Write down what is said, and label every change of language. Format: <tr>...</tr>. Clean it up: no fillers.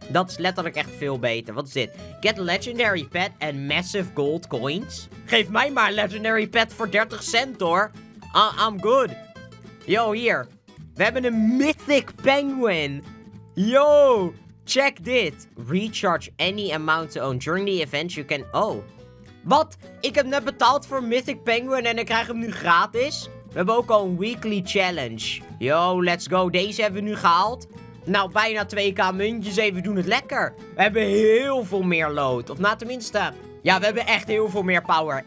<nl>Dat is letterlijk echt veel beter. Wat is dit?</nl> <en>Get legendary pet and massive gold coins.</en> <nl>Geef mij maar legendary pet voor 30 cent hoor.</nl> <en>I'm good.</en> <nl>Yo, hier. We hebben een mythic penguin. Yo, Check dit.</nl> <en>Recharge any amount to own during the event you can...</en> <nl>Oh. Wat? Ik heb net betaald voor Mythic Penguin en ik krijg hem nu gratis? We hebben ook al een weekly challenge. Yo,</nl> <en>let's go.</en> <nl>Deze hebben we nu gehaald. Nou, bijna 2.000 muntjes. Even doen het lekker. We hebben heel veel meer lood. Of nou, tenminste... Ja, we hebben echt heel veel meer power.</nl>